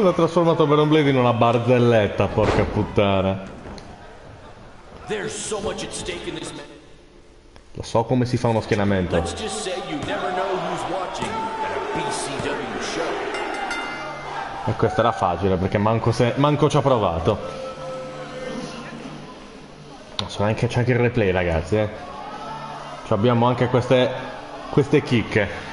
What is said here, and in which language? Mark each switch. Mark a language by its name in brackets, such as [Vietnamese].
[Italian] L'ho trasformato Baron Blade in una barzelletta, porca puttana. [English] There's so much at stake in this match. [Italian] Lo so come si fa uno schienamento. [English] Let's just say you never know who's watching at a BCW show. [Italian] E questa era facile perché manco ci ho provato. C'è anche il replay, ragazzi, eh. Cioè, abbiamo anche queste chicche.